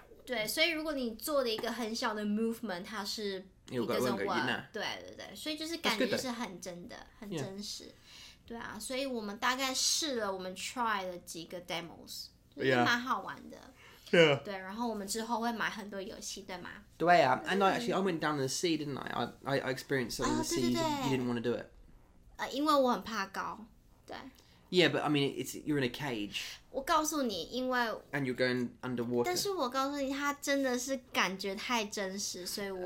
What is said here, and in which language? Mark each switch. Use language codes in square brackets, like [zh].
[zh] 对，所以如果你做的一个很小的 movement， 它是一个动作，对对对，所以就是感觉就是很真的，很真实， [en] yeah. [zh] 对啊，所以我们大概试了，我们 try 了几个 demos， 就是蛮好玩的， [en] yeah. [zh] 对，然后我们之后会买很多游戏，对吗？对啊 [en] ，and I went down in the sea， didn't I？ I experienced something in the sea， you didn't want to do it， [zh] 因为我很怕高，对。 [en] Yeah, but I mean, it's you're in a cage. [zh] 我告诉你，因为 [en] and you're going underwater. [zh] 但是我告诉你，它真的是感觉太真实，所以我